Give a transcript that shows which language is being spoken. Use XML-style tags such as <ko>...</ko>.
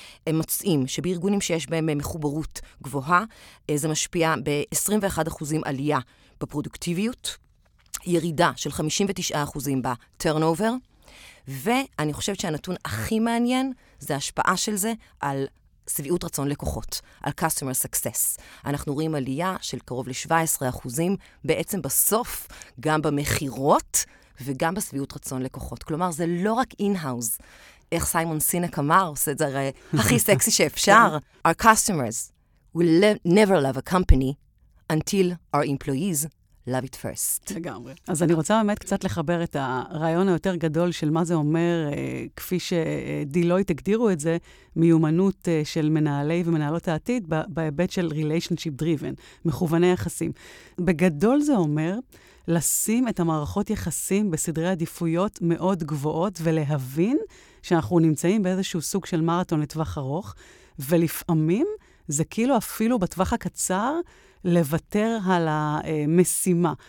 <he>הם מוצאים שבארגונים שיש בהם מחוברות גבוהה, זה משפיע ב-21% עלייה בפרודוקטיביות, ירידה של 59% בטרנאובר, ואני חושבת שהנתון הכי מעניין זה ההשפעה של זה על סביעות רצון לקוחות, על</he> <en>customer success.</en> <he>אנחנו רואים עלייה של קרוב ל-17% בעצם בסוף גם במחירות וגם בסביעות רצון לקוחות. כלומר, זה לא רק</he> <en>in-house.</en> <he>איך סיימון סינק אמר, עושה את זה הרי הכי סקסי שאפשר.</he> <en>Our customers will never love a company until our employees love it first.</en> <he>לגמרי. אז אני רוצה באמת קצת לחבר את הרעיון היותר גדול של מה זה אומר, כפי שדילויט הגדירו את זה, מיומנות של מנהלי ומנהלות העתיד בהיבט של</he> <en>relationship driven,</en> <he>מכווני יחסים. בגדול זה אומר לשים את המערכות יחסים בסדרי עדיפויות מאוד גבוהות ולהבין שאנחנו נמצאים באיזשהו סוג של מרתון לטווח ארוך, ולפעמים זה כאילו אפילו בטווח הקצר לוותר על המשימה.</he>